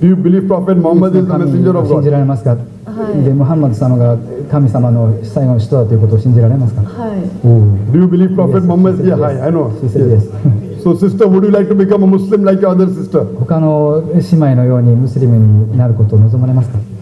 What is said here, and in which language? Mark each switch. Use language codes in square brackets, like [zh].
[en] Do you believe Prophet Muhammad is the messenger of God? [ja] 信じられますか。はい、でムハンマド様が神様の最後の使徒だということを信じられますか。はい。 [en] Do you believe Prophet Muhammad? Yeah, hi, I know. She said yes. So, sister, would you like to become a Muslim like your other sister? [ja] 他の姉妹のようにムスリムになることを望まれますか。